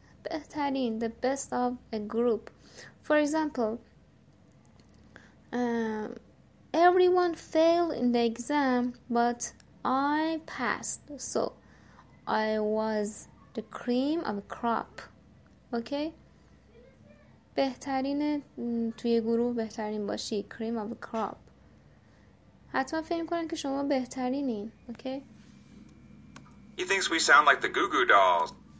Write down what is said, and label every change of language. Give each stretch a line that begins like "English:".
English: بهترین, the best of a group. For example, everyone failed in the exam, but I passed. So, I was the cream of a crop. Okay?
Persian: بهترین توی گروه بهترین باشی.
English: Cream of a crop.
Persian: حتما فهم کنن که شما بهترینین.
English: Okay? He thinks we sound like the Goo Goo Dolls.